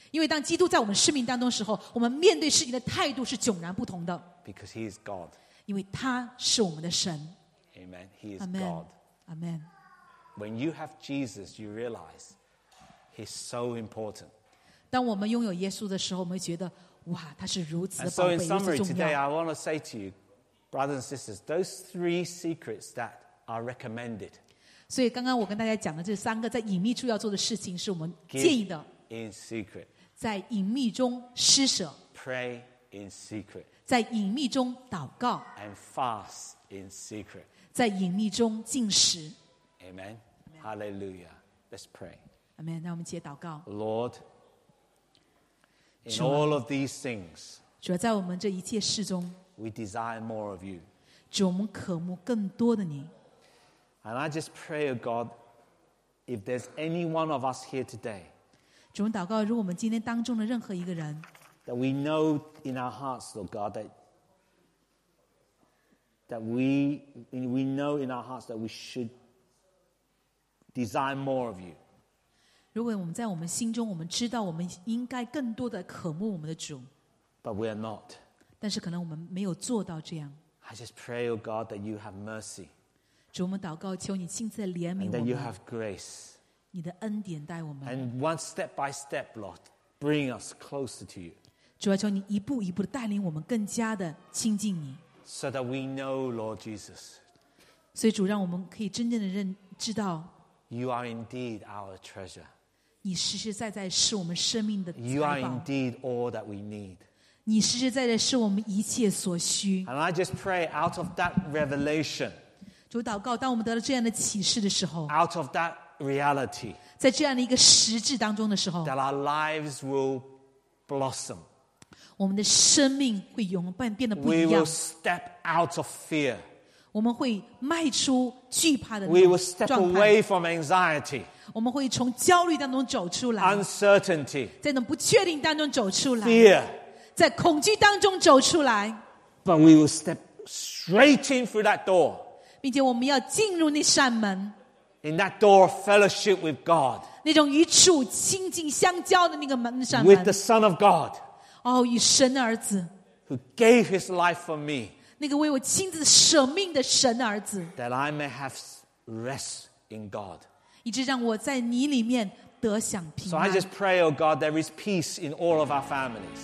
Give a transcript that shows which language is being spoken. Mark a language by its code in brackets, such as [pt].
[zh] 因为当基督在我们生命当中的时候，我们面对事情的态度是迥然不同的。 [en] Because He is God. [zh] 因为他是我们的神。 [en] Amen. He is Amen. God. Amen. When you have Jesus, you realize He's so important. [zh] 当我们拥有耶稣的时候，我们觉得哇，他是如此的宝贝，如此重要。 [en] And so, in summary, today I want to say to you, brothers and sisters, those three secrets that are recommended. [zh] 所以刚刚我跟大家讲的这三个在隐秘处要做的事情，是我们建议的。 [en] Give in secret. [zh] 在隐秘中施舍。 [en] Pray in secret. [zh] 在隐秘中祷告。 [en] And fast. In secret. [zh] 在隐秘中禁食。 [en] Amen. Hallelujah. Let's pray. [zh] Amen. 那我们接祷告。 [en] Lord, in all of these things, [zh] 主要在我们这一切事中 [en] we desire more of you. [zh] 主我们渴慕更多的你。 [en] And I just pray, O God, if there's any one of us here today, [zh] 主我们祷告，如果我们今天当中的任何一个人 [en] that we know in our hearts, O God, that we know in our hearts that we should desire more of you. [zh] 如果我们在我们心中，我们知道我们应该更多的渴慕我们的主。 [en] But we are not. [zh] 但是可能我们没有做到这样。 [en] I just pray, O God, that you have mercy. [zh] 主，我们祷告，求你亲自怜悯我们。 [en] And that you have grace. [zh] 你的恩典带我们。 [en] And one step by step, Lord, bring us closer to you. [zh] 主，求你一步一步的带领我们更加的亲近你。 [en] So that we know, Lord Jesus. [zh] 所以主让我们可以真正的知道 [en] You are indeed our treasure. [zh] 你实实在在是我们生命的财宝 [en] You are indeed all that we need. [zh] 你实实在在是我们一切所需 [en] And I just pray out of that revelation. [zh] 主祷告当我们得到这样的启示的时候 [en] Out of that reality. [zh] 在这样的一个实质当中的时候 [en] That our lives will blossom. [zh] 我们的生命会永远变得不一样。 [en] We will step out of fear. [zh] 我们会迈出惧怕的。 [en] We will step away from anxiety. [zh] 我们会从焦虑当中走出来。 [en] Uncertainty. [zh] 在那不确定当中走出来。 [en] Fear. [zh] 在恐惧当中走出来。 [en] But we will step straight in through that door. [zh] 并且我们要进入那扇门。 [en] In that door of fellowship with God. [zh] 那种与主亲近相交的那个门扇门。 [en] With the Son of God. [zh] 哦，与神儿子。 [en] Who gave his life for me. [zh] 那个为我亲自舍命的神儿子。 [en] That I may have rest in God. [zh] 以致让我在你里面得享平安。 [en] So I just pray, oh God, there is peace in all of our families.